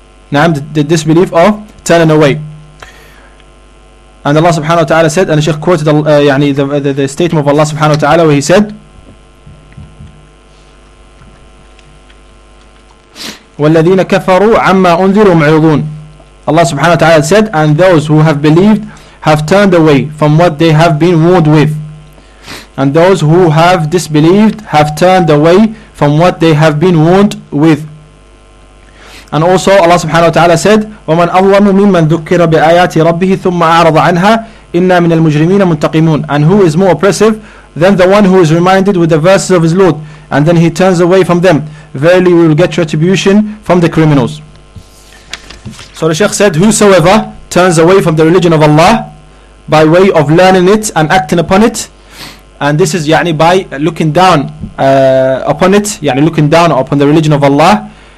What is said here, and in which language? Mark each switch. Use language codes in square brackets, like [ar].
[en] Naam, the disbelief of turning away. And Allah subhanahu wa ta'ala said, and the Shaykh quoted the statement of Allah subhanahu wa ta'ala, where he said, [ar] وَالَّذِينَ كَفَرُوا عَمَّا أُنذِرُوا مُعْرِضُونَ. [en] Allah subhanahu wa ta'ala said, and those who have believed have turned away from what they have been warned with. And those who have disbelieved have turned away from what they have been warned with. And also Allah subhanahu wa ta'ala said, [ar] وَمَنْ أَظْلَمُ مِمَّنْ ذُكِّرَ بِآيَاتِ رَبِّهِ ثُمَّ أَعْرَضَ عَنْهَا إِنَّا مِنَ الْمُجْرِمِينَ مُنْتَقِمُونَ. [en] And who is more oppressive than the one who is reminded with the verses of his Lord and then he turns away from them? Verily we will get retribution from the criminals. So the Shaykh said, whosoever turns away from the religion of Allah by way of learning it and acting upon it, and this is by looking down upon it, looking down upon the religion of Allah,